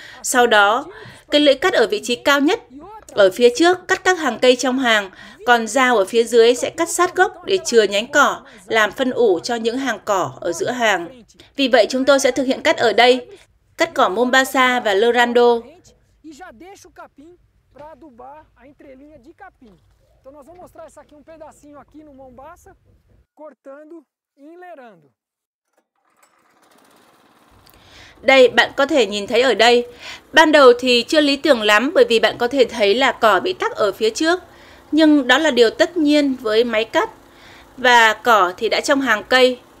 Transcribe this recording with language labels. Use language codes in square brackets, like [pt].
[vi] Sau đó, cái lưỡi cắt ở vị trí cao nhất, ở phía trước, cắt các hàng cây trong hàng, còn dao ở phía dưới sẽ cắt sát gốc để chừa nhánh cỏ, làm phân ủ cho những hàng cỏ ở giữa hàng. Vì vậy, chúng tôi sẽ thực hiện cắt ở đây, cắt cỏ Mombasa và Lerando. [pt] Para adubar a entrelinha de capim. Então nós vamos mostrar isso aqui um pedacinho aqui no Mombasa, cortando e enleirando. [vi] Đây, bạn có thể nhìn thấy ở đây. Ban đầu thì chưa lý tưởng lắm bởi vì bạn có thể thấy là cỏ bị tắc ở phía trước. Nhưng đó là điều tất nhiên với máy cắt. Và cỏ thì đã trong hàng cây.